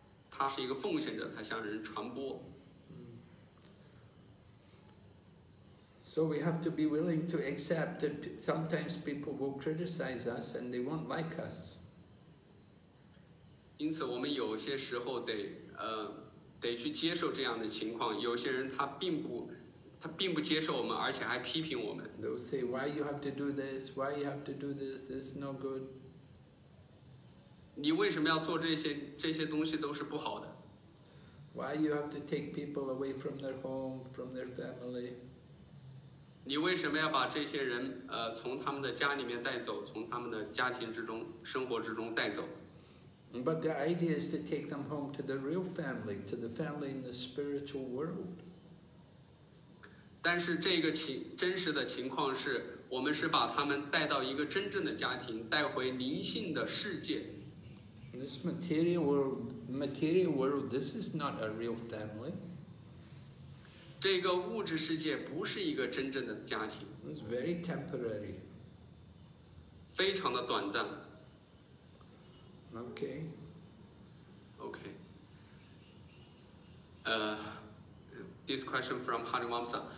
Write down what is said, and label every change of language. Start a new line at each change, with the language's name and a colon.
Chinese: 他是一个奉献者，他向人传播。
English: So we have to be willing to accept that sometimes people will criticize us and they won't like us.
Chinese: 因此我们有些时候得去接受这样的情况，有些人他并不接受我们，而且还批评我们。
English: They'll say, why you have to do this? Why you have to do this? This is no good.
Chinese: 你为什么要做这些东西都是不好的。
English: Why you have to take people away from their home, from their family?
Chinese: 你为什么要把这些人从他们的家里面带走，从他们的家庭之中、生活之中带走
English: ？But the idea is to take them home to the real family, to the family in the spiritual world.
Chinese: 但是这个真实的情况是，我们是把他们带到一个真正的家庭，带回灵性的世界。
English: This material world, this is not a real family.
Chinese: 这个物质世界不是一个真正的家庭。
English: It's very temporary.
Chinese: 非常的短暂。
English: Okay. Okay. This question from Hari Vamsa.